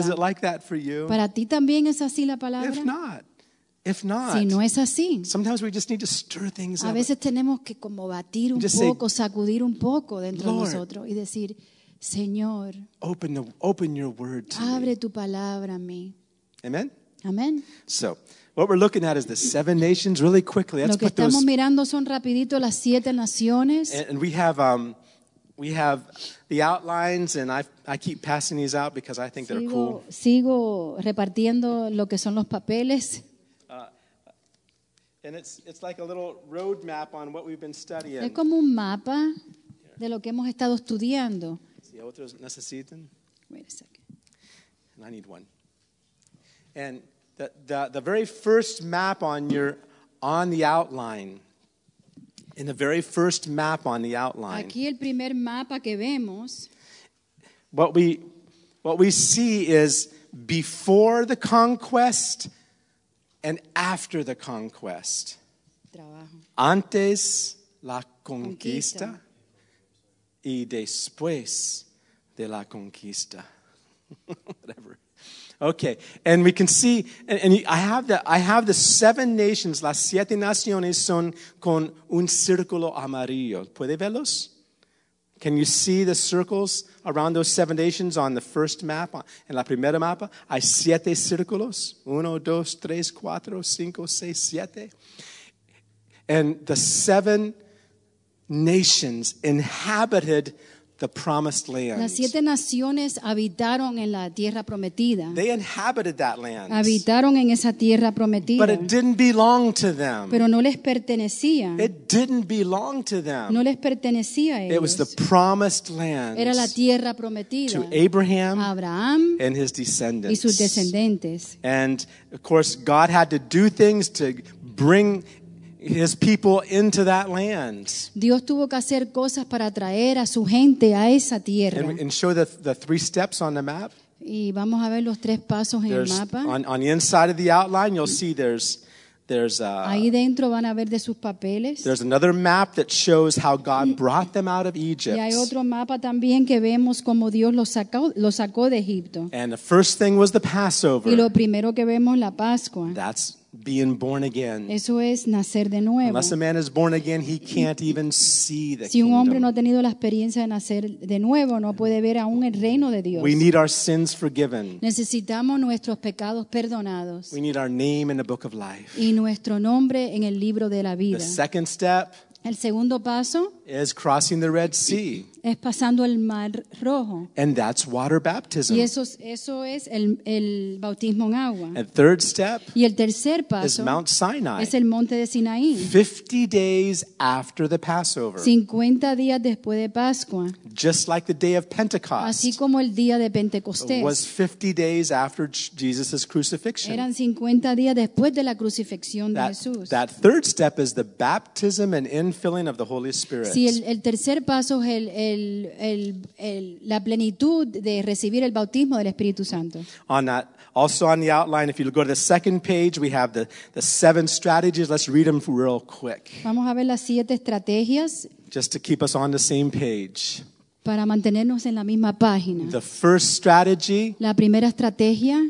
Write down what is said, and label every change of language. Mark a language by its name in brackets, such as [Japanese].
[English] Is it like that for you? [Spanish] ¿Para ti también es así la palabra? [English] If not, [Spanish] si no es así, [English] sometimes we just need to stir things up. [Spanish] A veces tenemos que como batir un poco, sacudir un poco dentro de nosotros y decir, Señor, [English] open your word to [Spanish] abre tu palabra a mí. [English] Amen? Amen. So, what we're looking at is the seven nations. Really quickly, let's [Spanish] lo que [English] put those. [Spanish] Estamos mirando son rapidito las siete naciones. [English] And we have the outlines, and I keep passing these out because I think they're cool. [Spanish] Sigo repartiendo lo que son los papeles. [English] And it's like a little road map on what we've been studying. [Spanish] Es como un mapa de lo que hemos estado estudiando. Si otros necesitan. [English] Wait a second. And I need one. And the very first map on the outline. [Spanish] Aquí el primer mapa que vemos. [English] What we see is before the conquest and after the conquest. [Spanish] Trabajo. Antes la conquista, conquista y después de la conquista. [English] Whatever. Okay, and we can see, and I have the seven nations. [Spanish] Las siete naciones son con un círculo amarillo. ¿Puede verlos? [English] Can you see the circles around those seven nations on the first map? [Spanish] En la primera mapa hay siete círculos. Uno, dos, tres, cuatro, cinco, seis, siete. [English] And the seven nations inhabited the promised land. [Spanish] Las siete naciones habitaron en la tierra prometida. [English] They inhabited that land. [Spanish] Habitaron en esa tierra prometida. [English] But it didn't belong to them. [Spanish] Pero no les pertenecía. [English] It didn't belong to them. [Spanish] No les pertenecía a ellos. [English] It was the promised land. [Spanish] Era la tierra prometida. [English] To Abraham, [Spanish] Abraham [English] and his descendants. [Spanish] Y sus descendentes. [English] And of course God had to do things to bring His people into that land. [Spanish] Dios tuvo que hacer cosas para traer a su gente a esa tierra. [English] And show the three steps on the map. [Spanish] Y vamos a ver los tres pasos en el mapa. [English] On the inside of the outline, you'll see there's a. [Spanish] Ahí dentro van a ver de sus papeles. [English] There's another map that shows how God brought them out of Egypt. [Spanish] Y hay otro mapa también que vemos cómo Dios los sacó de Egipto. [English] And the first thing was the Passover. [Spanish] Y lo primero que vemos la Pascua. [English] That's being born again. [Spanish] Eso es nacer de nuevo. [English] Unless a man is born again, he can't even see the kingdom. [Spanish] Si un hombre no ha tenido la experiencia de nacer de nuevo, no puede ver aún el reino de Dios. [English] We need our sins forgiven. [Spanish] Necesitamos nuestros pecados perdonados. [English] We need our name in the book of life. [Spanish] Y nuestro nombre en el libro de la vida. [English] The second step. [Spanish] El segundo paso [English] is crossing the Red Sea. [Spanish] Es pasando el Mar Rojo. [English] And that's water baptism. [Spanish] Y eso es el bautismo en agua. [English] And third step [Spanish] y el tercer paso [English] is Mount Sinai. [Spanish] Es el monte de Sinaí. [English] 50 days after the Passover. [Spanish] 50 días después de Pascua. [English] Just like the day of Pentecost. [Spanish] Así como el día de Pentecostés. [English] Was 50 days after Jesus' crucifixion. [Spanish] Eran 50 días después de la crucifixión de Jesús. [English] That third step is the baptism and infilling of the Holy Spirit. [Spanish] Si el tercer paso es el la plenitud de recibir el bautismo del Espíritu Santo. [English] On that, also on the outline, if you go to the second page, we have the seven strategies. Let's read them real quick. [Spanish] Vamos a ver las siete estrategias. [English] Just to keep us on the same page. [Spanish] Para mantenernos en la misma página. [English] The first strategy. [Spanish] La primera estrategia.